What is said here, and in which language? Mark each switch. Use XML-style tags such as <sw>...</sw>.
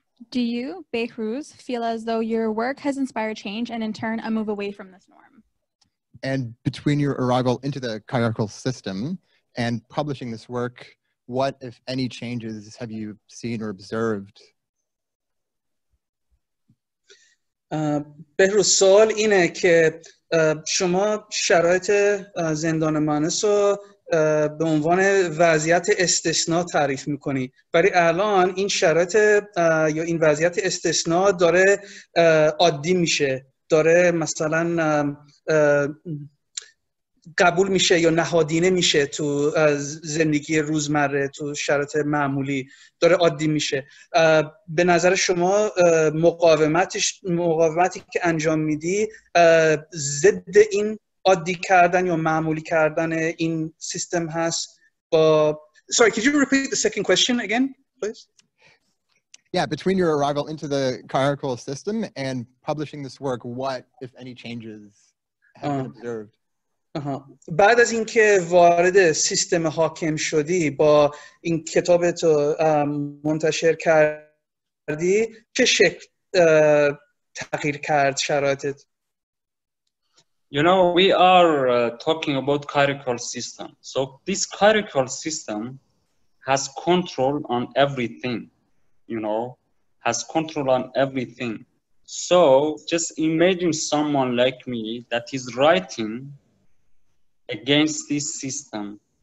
<en>Do you, Behrouz, feel as though your work has inspired change and in turn a move away from this norm? And between your arrival into the hierarchical system and publishing this work, what, if any, changes have you seen or observed?</en> <fa>بهروز سوال اینه که شما شرایط زندان مانس رو به عنوان وضعیت استثناء تعریف میکنی، ولی الان این شرایط یا این وضعیت استثناء داره عادی میشه، داره مثلا قبول میشه یا نهادینه میشه تو زندگی روزمره، تو شرایط معمولی داره عادی میشه. به نظر شما مقاومتی که انجام میدی ضد این عادی کردن یا معمولی کردن این سیستم هست؟ با</fa> <en>Sorry, could you repeat the second question again, please? Yeah, between your arrival into the hierarchical system and publishing this work, what, if any, changes have been observed?</en> <fa>بعد از اینکه وارد سیستم حاکم شدی با این کتابت رو منتشر کردی، چه شکل تغییر کرد شرایطت؟</fa> <en>You know, we are talking about hierarchical system. So this hierarchical system has control on everything. You know, has control on everything. So just imagine someone like me that is writing against this system.</en>